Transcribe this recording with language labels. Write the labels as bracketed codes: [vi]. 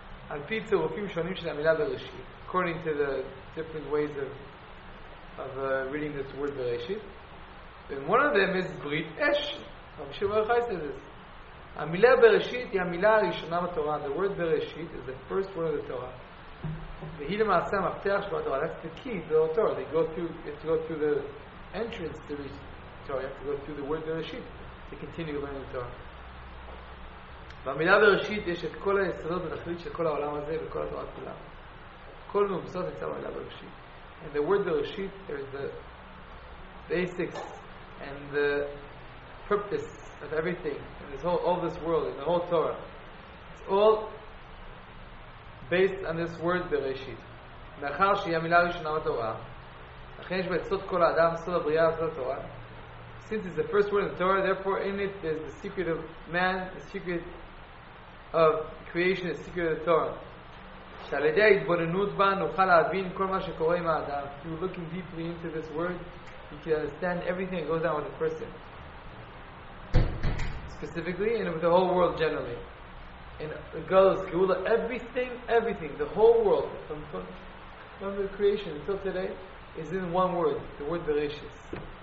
[he] על פי צירופים שונים של המילה בראשית, [en] according to the different ways of reading this word Bereshit. And one of them is Brit Esh. Rav Shimon Yochai says this. [he] המילה בראשית היא המילה הראשונה בתורה. [en] The word בראשית is the first word of the Torah. [he] והיא למעשה המפתח של התורה. [en] That's the key to the Torah. You have to go through the entrance to the Torah. You have to go through the word בראשית to continue learning the Torah. [he] והמילה בראשית יש את כל היסודות ותכלית של כל העולם הזה וכל התורה כולה. כל מבוסס נמצא במילה בראשית. [en] And the word בראשית, there is the basics and the purpose of everything in this whole, all this world, in the whole Torah. It's all based on this word bereshit. [he] מאחר שהיא המילה הראשונה בתורה, לכן יש בעצות כל האדם סוד הבריאה של התורה. [en] Since it's the first word in the Torah, therefore in it is the secret of man, the secret of creation, the secret of the Torah. [he] שעל ידי ההתבוננות בה נוכל להבין כל מה שקורה עם האדם. [en] If you're looking deeply into this word, you can understand everything that goes on with a person. Specifically, and with the whole world generally. And the Gaulus, Geula, everything, the whole world, from the creation until today, is in one word, the word Bereshis.